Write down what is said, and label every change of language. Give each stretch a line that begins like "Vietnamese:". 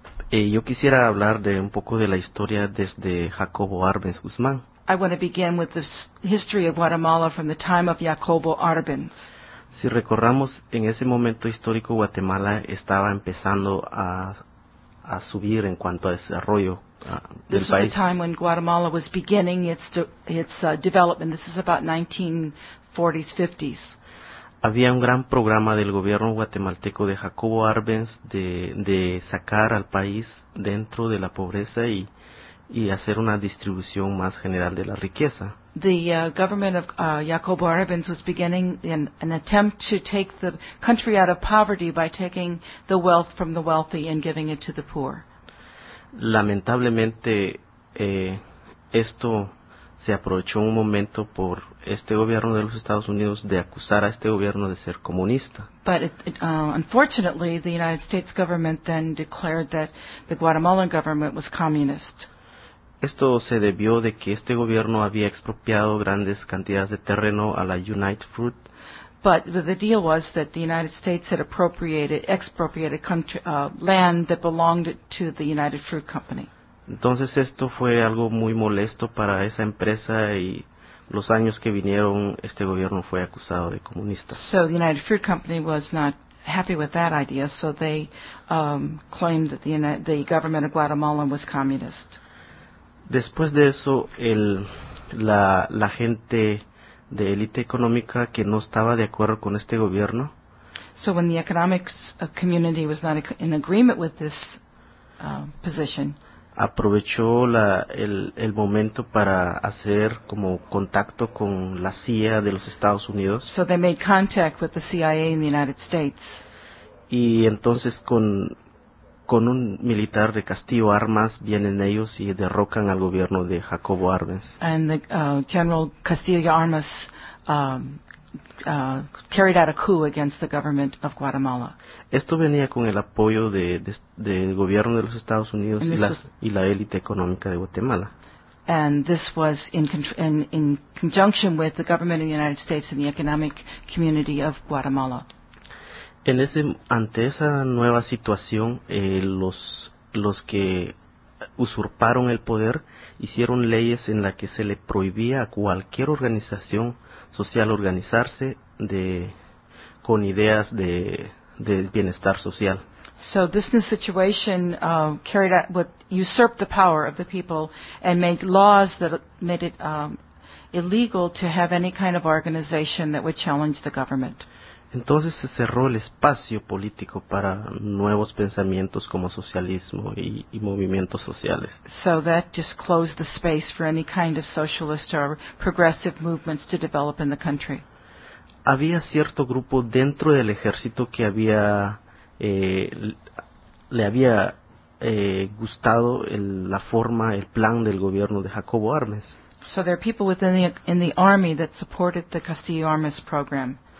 Spanish: Yo quisiera hablar de un poco de la historia desde Jacobo Arbenz Guzmán.
English: I want to begin with the history of Guatemala from the time of Jacobo Arbenz.
Spanish: Si recordamos, en ese momento histórico Guatemala estaba empezando a subir en cuanto a desarrollo del
English: This was a time when Guatemala was beginning its development. This is about 1940s, 50s.
Spanish: Había un gran programa del gobierno guatemalteco de Jacobo Arbenz de sacar al país dentro de la pobreza y hacer una distribución más general de la riqueza.
English: The government of Jacobo Arbenz was beginning an attempt to take the country out of poverty by taking the wealth from the wealthy and giving it to the poor.
Spanish: Lamentablemente, esto se aprovechó un momento por este gobierno de los Estados Unidos de acusar a este gobierno de ser comunista.
English: But unfortunately, the United States government then declared that the Guatemalan government was communist.
Spanish: Esto se debió de que este gobierno había expropiado grandes cantidades de terreno a la United Fruit.
English: But the deal was that the United States had expropriated land that belonged to the United Fruit Company.
Spanish: Entonces esto fue algo muy molesto para esa empresa y los años que vinieron este gobierno fue acusado de comunista.
English: So the United Fruit Company was not happy with that idea, so they claimed that the government of Guatemala was communist.
Spanish: Después de eso, la gente de élite económica que no estaba de acuerdo con este gobierno.
English: So when the economics community was not in agreement with this position.
Spanish: Aprovechó el momento para hacer como contacto con la CIA de los Estados Unidos.
English: So they made contact with the CIA in the United States.
Spanish: Y entonces con un militar de Castillo Armas vienen ellos y derrocan al gobierno de Jacobo Arbenz.
English: And the General Castillo Armas carried out a coup against the government of Guatemala.
Spanish: Esto venía con el apoyo del gobierno de los Estados Unidos y la élite económica de Guatemala.
English: And this was in conjunction with the government of the United States and the economic community of Guatemala.
Spanish: Ante esa nueva situación, los que usurparon el poder hicieron leyes en las que se le prohibía a cualquier organización social organizarse con ideas de bienestar social.
English: So this new situation carried out what usurped the power of the people and made laws that made it illegal to have any kind of organization that would challenge the government.
Spanish: Entonces se cerró el espacio político para nuevos pensamientos como socialismo y movimientos sociales.
English: So that just closed the space for any kind of socialist or progressive movements to develop in the country.
Spanish: Había cierto grupo dentro del ejército que había gustado el plan del gobierno de Jacobo Arbenz.
English: So there are people within the army that supported the Castillo Armas program.